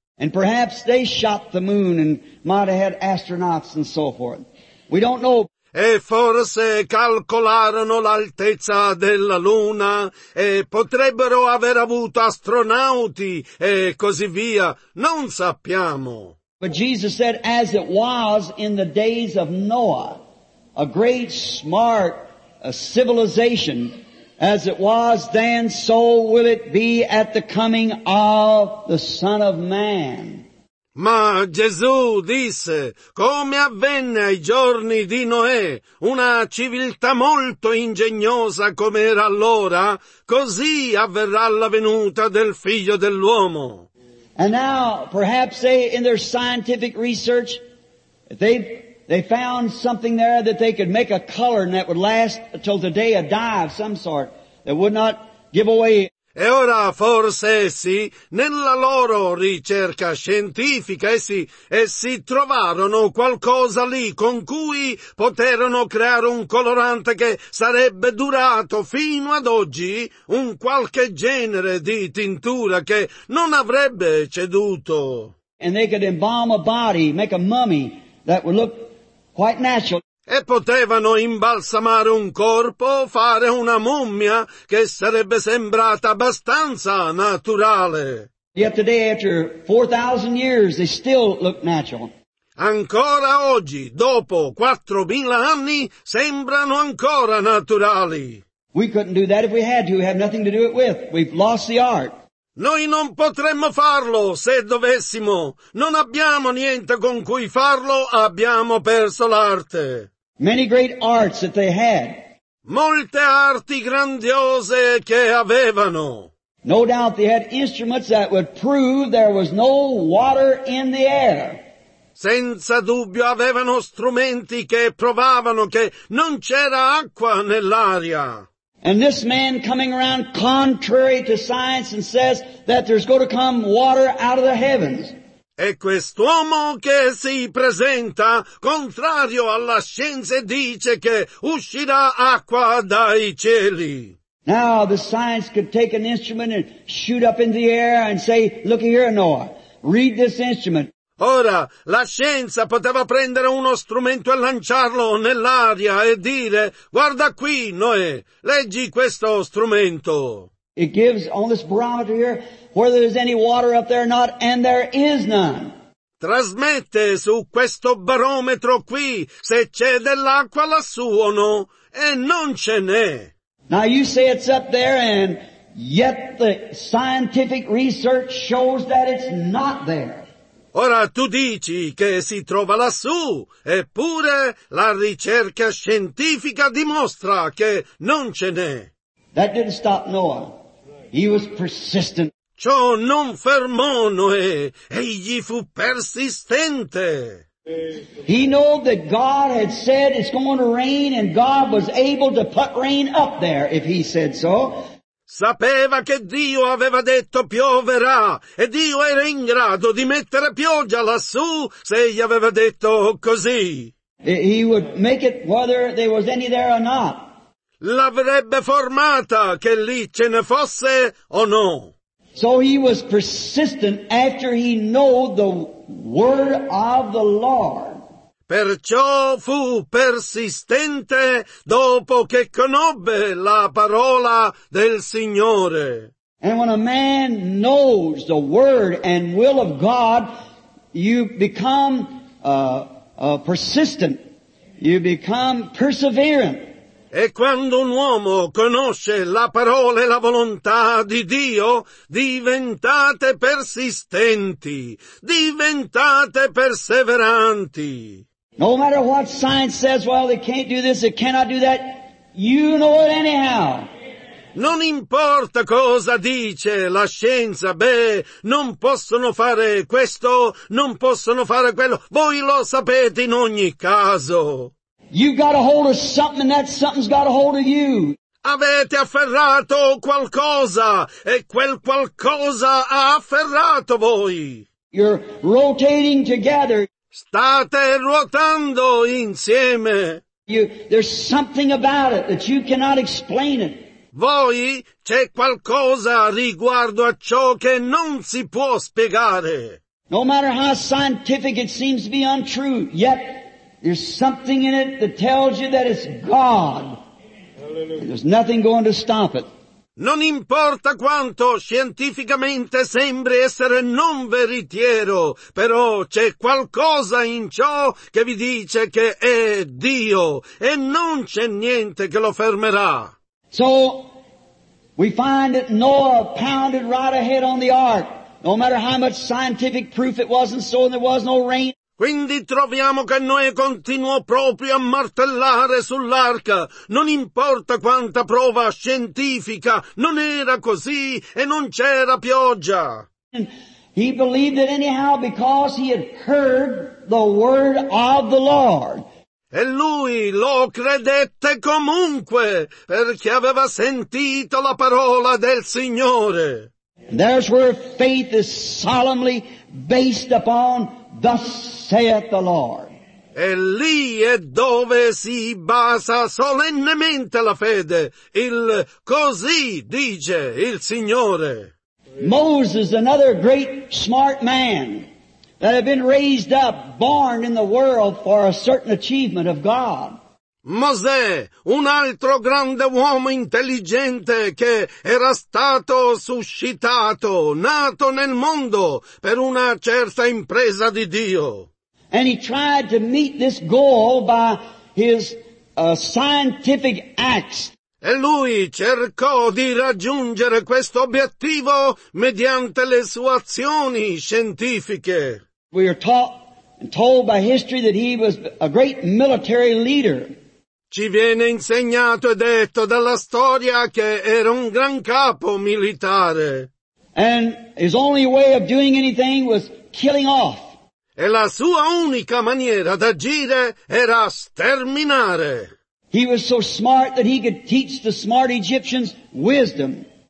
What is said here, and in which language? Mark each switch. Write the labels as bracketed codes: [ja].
[en] And perhaps they shot the moon and might have had astronauts and so forth. We don't know. [it] E forse calcolarono l'altezza della luna e potrebbero aver avuto astronauti e così via. Non sappiamo. [en] But Jesus said, as it was in the days of Noah, a great, smart, a civilization As it was then, so will it be at the coming of the Son of Man. [it] Ma Gesù disse, come avvenne ai giorni di Noè, una civiltà molto ingegnosa come era allora, così avverrà la venuta del Figlio dell'uomo. [en] And now, perhaps they, in their scientific research, they found something there that they could make a color and that would last until the day of dye of some sort, that would not give away. [it] E ora forse essi, nella loro ricerca scientifica, essi trovarono qualcosa lì con cui poterono creare un colorante che sarebbe durato fino ad oggi, un qualche genere di tintura che non avrebbe ceduto. [en] And they could embalm a body, make a mummy that would look quite natural. [it] E potevano imbalsamare un corpo, fare una mummia che sarebbe sembrata abbastanza naturale. [en] Yet today, after 4,000 years, they still look natural. [it] Ancora oggi, dopo 4,000 anni, sembrano ancora naturali. [en] We couldn't do that if we had to. We have nothing to do it with. We've lost the art. [it] Noi non potremmo farlo se dovessimo. Non abbiamo niente con cui farlo, abbiamo perso l'arte. [en] Many great arts that they had. [it] Molte arti grandiose che avevano. [en] No doubt they had instruments that would prove there was no water in the air. [it] Senza dubbio avevano strumenti che provavano che non c'era acqua nell'aria. [en] And this man coming around contrary to science and says that there's going to come water out of the heavens. [it] E quest'uomo che si presenta contrario alla scienza dice che uscirà acqua dai cieli. [en] Now the science could take an instrument and shoot up in the air and say, look here, Noah, read this instrument. [it] Ora, la scienza poteva prendere uno strumento e lanciarlo nell'aria e dire, guarda qui, Noè, leggi questo strumento. [en] It gives on this barometer here whether there's any water up there or not, and there is none. [it] Trasmette su questo barometro qui se c'è dell'acqua lassù o no, e non ce n'è. [en] Now you say it's up there, and yet the scientific research shows that it's not there. [it] Ora tu dici che si trova lassù, eppure la ricerca scientifica dimostra che non ce n'è. [en] That didn't stop Noah. He was persistent. [it] Ciò non fermò Noè, egli fu persistente. [en] He knew that God had said it's going to rain, and God was able to put rain up there if he said so. [it] Sapeva che Dio aveva detto pioverà, e Dio era in grado di mettere pioggia lassù se gli aveva detto così. [en] He would make it whether there was any there or not. [it] L'avrebbe formata che lì ce ne fosse o no. [en] So he was persistent after he knew the word of the Lord. [it] Perciò fu persistente dopo che conobbe la parola del Signore. [en] And when a man knows the word and will of God, you become persistent. You become perseverant. [it] E quando un uomo conosce la parola e la volontà di Dio, diventate persistenti. Diventate perseveranti. [en] No matter what science says, well, they can't do this, they cannot do that, you know it anyhow. [it] Non importa cosa dice la scienza, beh, non possono fare questo, non possono fare quello, voi lo sapete in ogni caso. [en] You've got a hold of something and that something's got a hold of you. [it] Avete afferrato qualcosa e quel qualcosa ha afferrato voi. [en] You're rotating together. [it] State ruotando insieme. [en] There's something about it that you cannot explain it. [it] Voi, c'è qualcosa riguardo a ciò che non si può spiegare. [en] No matter how scientific it seems to be untrue, yet there's something in it that tells you that it's God. And there's nothing going to stop it. [it] Non importa quanto scientificamente sembri essere non veritiero, però c'è qualcosa in ciò che vi dice che è Dio, e non c'è niente che lo fermerà. [en] So, We find that Noah pounded right ahead on the ark, no matter how much scientific proof it wasn't so and there was no rain. [it] Quindi troviamo che Noè continuò proprio a martellare sull'arca. Non importa quanta prova scientifica, non era così e non c'era pioggia. [en] And he believed it anyhow because he had heard the word of the Lord. [it] E lui lo credette comunque perché aveva sentito la parola del Signore. [en] There's where faith is solemnly based upon thus saith the Lord. [it] E lì è dove si basa solennemente la fede, il così dice il Signore. [en] Moses, another great smart man that had been raised up, born in the world for a certain achievement of God. [it] Mosè, un altro grande uomo intelligente che era stato suscitato, nato nel mondo per una certa impresa di Dio. [en] And he tried to meet this goal by his scientific acts. [it] E lui cercò di raggiungere questo obiettivo mediante le sue azioni scientifiche. [en] We are taught and told by history that he was a great military leader. [it] Ci viene insegnato e detto dalla storia che era un gran capo militare. [en] And his only way of doing anything was killing off. [it] E la sua unica maniera d'agire era sterminare. [en] He was so smart that he could teach the smart Egyptians wisdom.